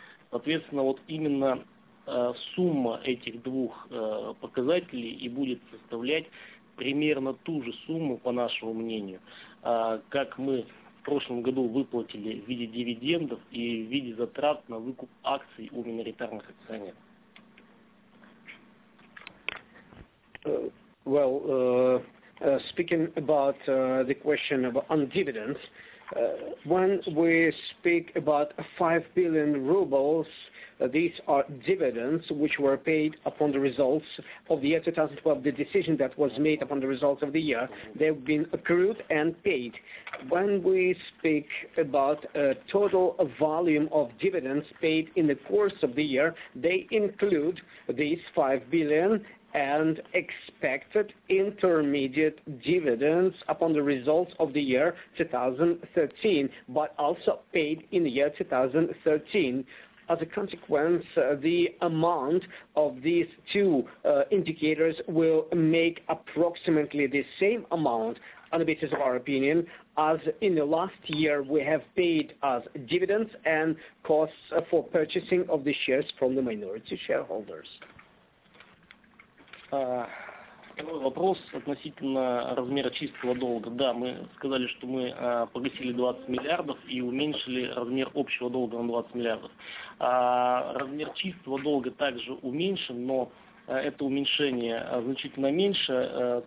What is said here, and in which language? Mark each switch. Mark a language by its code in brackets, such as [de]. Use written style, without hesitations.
[ru] Соответственно, вот именно сумма этих двух показателей и будет составлять примерно ту же сумму, по нашему мнению, как мы в прошлом году выплатили в виде дивидендов и в виде затрат на выкуп акций у миноритарных акционеров. [en] Well, speaking about the question of on dividends, when we speak about 5 billion rubles, these are dividends which were paid upon the results of the year 2012, the decision that was made upon the results of the year. They've been accrued and paid. When we speak about a total volume of dividends paid in the course of the year, they include these 5 billion and expected intermediate dividends upon the results of the year 2013, but also paid in the year 2013. As a consequence, the amount of these two indicators will make approximately the same amount, on the basis of our opinion, as in the last year we have paid as dividends and costs for purchasing of the shares from the minority shareholders. [ru] Второй вопрос относительно размера чистого долга. Да, мы сказали, что мы погасили 20 миллиардов и уменьшили размер общего долга на 20 миллиардов. Размер чистого долга также уменьшен, но это уменьшение значительно меньше.